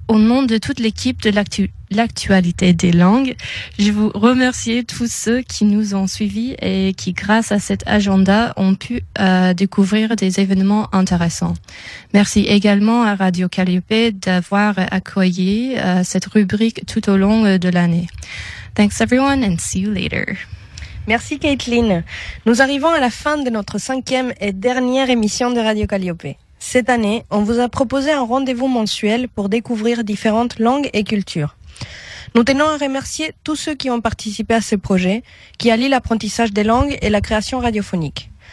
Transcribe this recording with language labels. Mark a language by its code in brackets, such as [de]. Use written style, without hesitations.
[fr] Au nom de toute l'équipe de l'actualité des langues, je vous remercie tous ceux qui nous ont suivis et qui, grâce à cet agenda, ont pu découvrir des événements intéressants. Merci également à Radio Calliope d'avoir accueilli cette rubrique tout au long de l'année. [en] Thanks everyone and see you later. [fr] Merci Caitlin. Nous arrivons à la fin de notre cinquième et dernière émission de Radio Calliope. Cette année, on vous a proposé un rendez-vous mensuel pour découvrir différentes langues et cultures. Nous tenons à remercier tous ceux qui ont participé à ce projet, qui allie l'apprentissage des langues et la création radiophonique.